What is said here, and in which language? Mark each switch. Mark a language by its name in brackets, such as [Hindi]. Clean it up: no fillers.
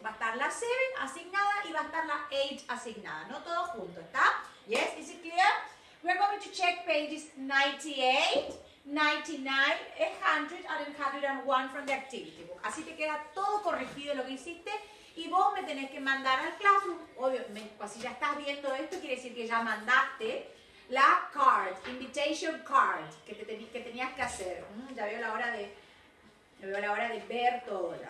[Spanish] Va a estar la 7 asignada y va a estar la 8 asignada, no todos juntos, ¿está? [English] Yes, is it clear? We're going to check pages 98, 99, 100, and 101 from the activity book. [Spanish] Así te queda todo corregido lo que hiciste y vos me tenés que mandar al classroom. Obviamente, pues si ya estás viendo esto, quiere decir que ya mandaste la card, [English] invitation card, [Spanish] que te tenías que hacer. Ya veo la hora de ver todo.